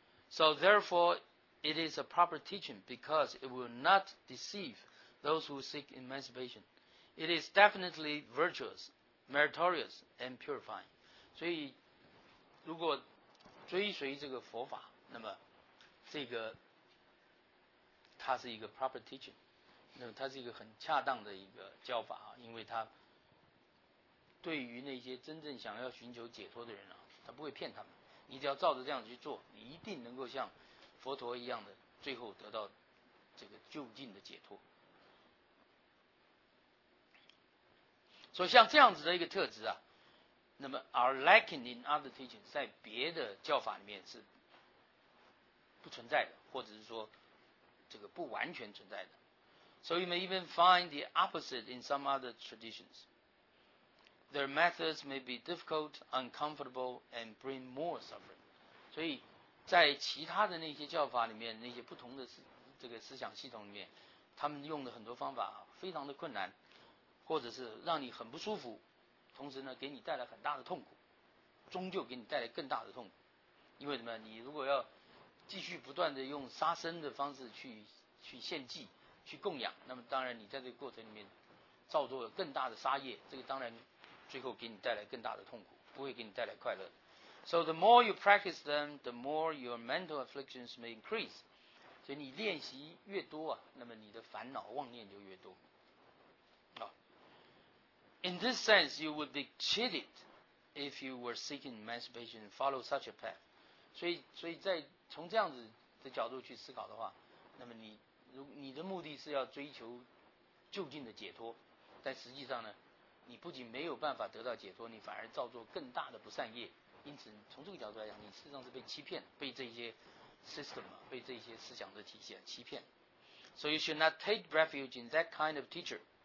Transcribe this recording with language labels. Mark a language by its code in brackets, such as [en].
[en] So therefore it is a proper teaching because it will not deceive those who seek emancipation. It is definitely virtuous, meritorious and purifying。 [zh] 所以如果追随这个佛法，那么这个它是一个 [en] proper teaching， [zh] 那么它是一个很恰当的一个教法啊，因为它对于那些真正想要寻求解脱的人啊，它不会骗他们，你只要照着这样去做，你一定能够像佛陀一样的最后得到这个究竟的解脱。所以像这样子的一个特质啊，那么 [en] are lacking in other teaching， [zh] 在别的教法里面是不存在的，或者是说这个不完全存在的。 [en] So you may even find the opposite in some other traditions. Their methods may be difficult, uncomfortable, and bring more suffering. [zh] 所以在其他的那些教法里面，那些不同的这个思想系统里面，他们用的很多方法非常的困难，或者是让你很不舒服，同时呢给你带来很大的痛苦，终究给你带来更大的痛苦。因为什么？你如果要继续不断的用杀生的方式去献祭，去供养，那么当然你在这个过程里面造作了更大的杀业，这个当然最后给你带来更大的痛苦，不会给你带来快乐。 [en] So the more you practice them, the more your mental afflictions may increase。 [zh] 所以你练习越多啊，那么你的烦恼妄念就越多。 [en] In this sense, you would be cheated if you were seeking emancipation and follow such a path。 [zh] 所以在从这样子的角度去思考的话，那么你的目的是要追求究竟的解脱，但实际上呢，你不仅没有办法得到解脱，你反而造作更大的不善业，因此从这个角度来讲，你事实上是被欺骗，被这些 system 被这些思想的体系欺骗。 [en] So you should not take refuge in that kind of teacher。